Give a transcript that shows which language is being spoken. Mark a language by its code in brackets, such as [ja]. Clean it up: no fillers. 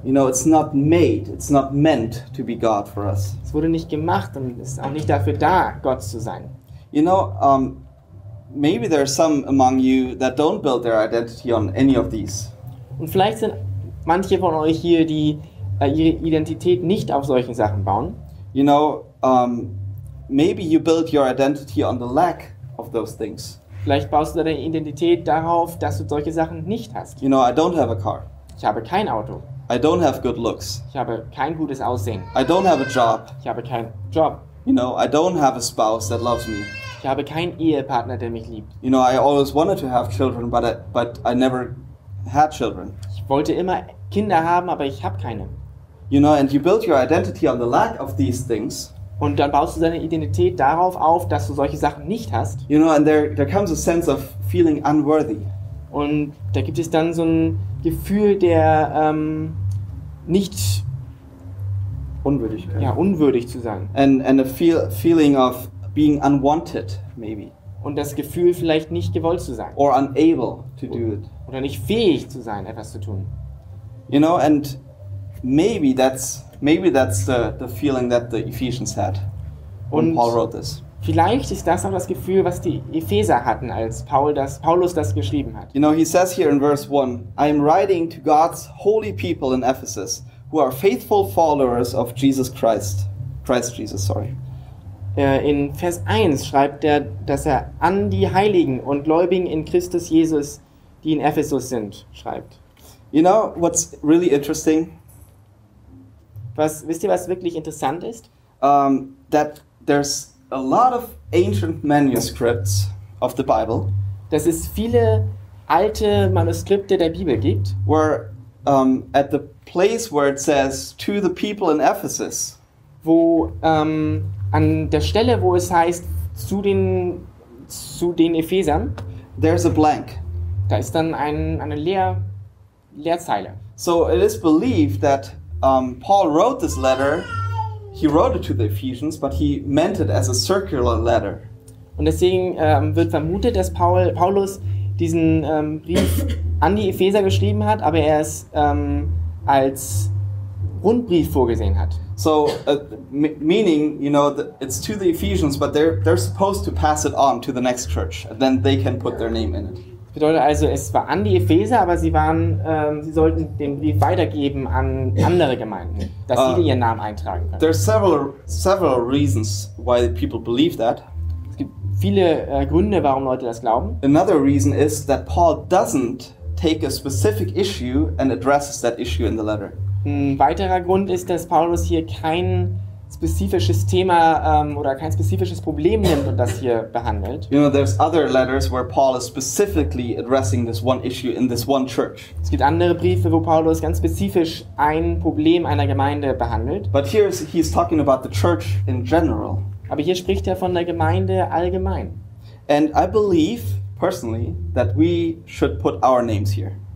[en] You know, it's not made, it's not meant to be God for us. [de] Es wurde nicht gemacht und ist auch nicht dafür da, Gott zu sein. [en] You know, maybe there are some among you that don't build their identity on any of these. [de] Und vielleicht sind manche von euch hier, die ihre Identität nicht auf solchen Sachen bauen. [en] You know, maybe you build your identity on the lack of those things. [de] Vielleicht baust du deine Identität darauf, dass du solche Sachen nicht hast. [en] You know, I don't have a car. [de] Ich habe kein Auto. [en] I don't have good looks. [de] Ich habe kein gutes Aussehen. [en] I don't have a job. [de] Ich habe keinen Job. [en] You know, I don't have a spouse that loves me. [de] Ich habe keinen Ehepartner, der mich liebt. [en] You know, I always wanted to have children, but I never had children. [de] Ich wollte immer Kinder haben, aber ich habe keine. [en] You know, and you build your identity on the lack of these things. [de] Und dann baust du deine Identität darauf auf, dass du solche Sachen nicht hast. [en] You know, and there comes a sense of feeling unworthy. [de] Und da gibt es dann so ein Gefühl der nicht Unwürdigkeit. Ja, unwürdig zu sein. [en] And a feeling of being unwanted, maybe. [de] Und das Gefühl, vielleicht nicht gewollt zu sein. [en] Or unable to do it. [de] Oder nicht fähig zu sein, etwas zu tun. [en] You know, and maybe that's the feeling that the Ephesians had when [de] und [en] Paul wrote this. [de] Vielleicht ist das auch das Gefühl, was die Epheser hatten, als Paulus das geschrieben hat. [en] You know, he says here in verse 1, I am writing to God's holy people in Ephesus, who are faithful followers of Jesus Christ. Christ Jesus, sorry. [de] In Vers 1 schreibt er, dass er an die Heiligen und Gläubigen in Christus Jesus, die in Ephesus sind, schreibt. [en] You know what's really interesting? [de] Wisst ihr, was wirklich interessant ist? [en] That there's a lot of ancient manuscripts of the Bible. [de] Dass es viele alte Manuskripte der Bibel gibt. [en] Where at the place where it says to the people in Ephesus, [de] wo an der Stelle, wo es heißt zu den Ephesern, [en] there's a blank. [de] Da ist dann eine Leerzeile. [en] So it is believed that Paul wrote this letter. He wrote it to the Ephesians, but he meant it as a circular letter. [de] Und deswegen wird vermutet, dass Paulus diesen Brief an die Epheser geschrieben hat, aber er es als Rundbrief vorgesehen hat. [en] So, meaning, you know, it's to the Ephesians, but they're supposed to pass it on to the next church, and then they can put their name in it. [de] Das bedeutet also, es war an die Epheser, aber sie sollten den Brief weitergeben an andere Gemeinden, dass sie ihren Namen eintragen können. [en] There are several reasons why people believe that. [de] Es gibt viele Gründe, warum Leute das glauben. [en] Another reason is that Paul doesn't take a specific issue and addresses that issue in the letter. [de] Ein weiterer Grund ist, dass Paulus hier kein spezifisches Thema oder kein spezifisches Problem nimmt und das hier behandelt. [en] You know, there's other letters where Paul is specifically addressing this one issue in this one church. [de] Es gibt andere Briefe, wo Paulus ganz spezifisch ein Problem einer Gemeinde behandelt. [en] But here he's talking about the church in general. [de] Aber hier spricht er von der Gemeinde allgemein. [en] And I believe personally that we should put our names here.